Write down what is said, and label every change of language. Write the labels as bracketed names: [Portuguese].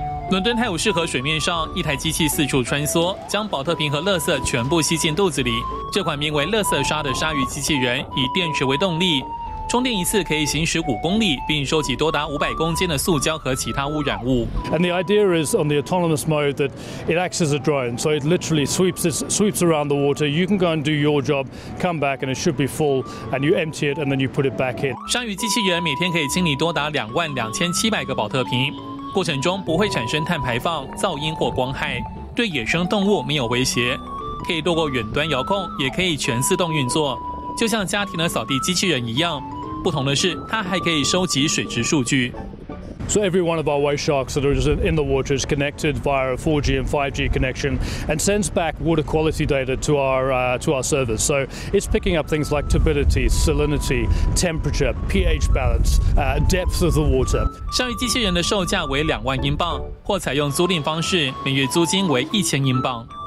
[Chinese] 伦敦泰晤士河水面上，一台机器四处穿梭，将保特瓶和垃圾全部吸进肚子里。这款名为垃圾鲨的鲨鱼机器人以电池为动力，充电一次可以行驶5公里，并收集多达500公斤的塑胶和其他污染物。 [English] And the idea is on the autonomous mode that it acts as a drone, so it literally sweeps around the water. You can go and do your job, come back and it should be full, and you empty it and then you put it back in. [Chinese] 鲨鱼机器人每天可以清理多达22700个保特瓶，过程中不会产生碳排放、噪音或光害，对野生动物没有威胁。可以透过远端遥控，也可以全自动运作。就像家庭的扫地机器人一样，不同的是，它还可以收集水质数据。 [English] So every one of our white sharks that are in the water is connected via a 4G and 5G connection and sends back water quality data to our servers. So it's picking up things like turbidity, salinity, temperature, pH balance, depth of the water. [Chinese] 鲨鱼机器人的售价为2万英镑，或采用租赁方式，每月租金为1000英镑。